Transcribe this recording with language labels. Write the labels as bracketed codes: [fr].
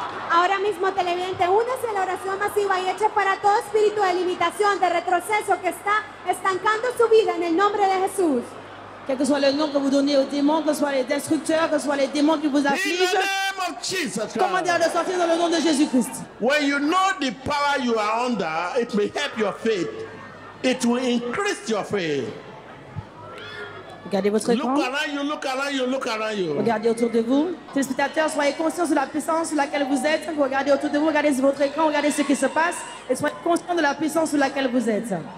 [es] Ahora mismo, televidente, únase a la oración masiva y eche para todo espíritu de limitación, de retroceso que está estancando su vida en el nombre de Jesús. [fr] Quel que soit le nom que vous donnez aux démons, que ce soit les destructeurs, que ce soit les démons qui vous affligent. Comment dire de sortir dans le nom de Jésus Christ. [en] When you know the power you are under, it will help your faith. It will increase your faith. [fr] Regardez votre écran. [en] Look around you, look around you, look around you. [fr] Regardez autour de vous. Téléspectateurs, soyez conscients de la puissance sur laquelle vous êtes. Regardez autour de vous, regardez votre écran, regardez ce qui se passe. Et soyez conscients de la puissance sur laquelle vous êtes.